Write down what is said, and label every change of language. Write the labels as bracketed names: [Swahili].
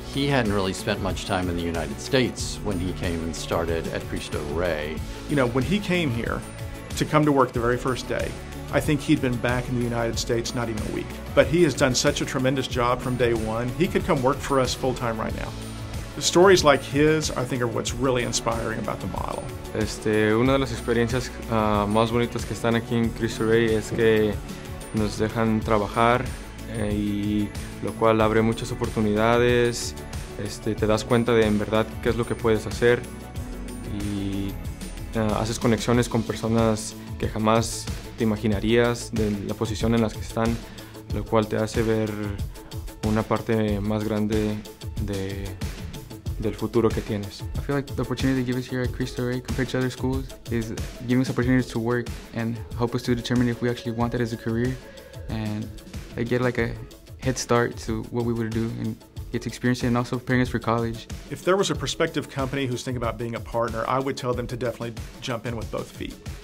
[English] He hadn't really spent much time in the United States when he came and started at Cristo Ray. You know, when he came here to come to work the very first day, I think he'd been back in the United States not even a week. But he has done such a tremendous job from day one, he could come work for us full time right now. The stories like his, I think, are what's really inspiring about the model. [Spanish] Una de las experiencias más bonitas que están aquí en Cristo Ray es que nos dejan trabajar. Y lo cual abre muchas oportunidades, te das cuenta de en verdad qué es lo que puedes hacer y haces conexiones con personas que jamás te imaginarías de la posición en la que están, lo cual te hace ver una parte más grande del futuro que tienes. [English] I feel like the opportunity they give us here at Cristo Ray compared to other schools is giving us opportunities to work and help us to determine if we actually want that as a career. And I get like a head start to what we would do and get to experience it and also preparing us for college. If there was a prospective company who's thinking about being a partner, I would tell them to definitely jump in with both feet.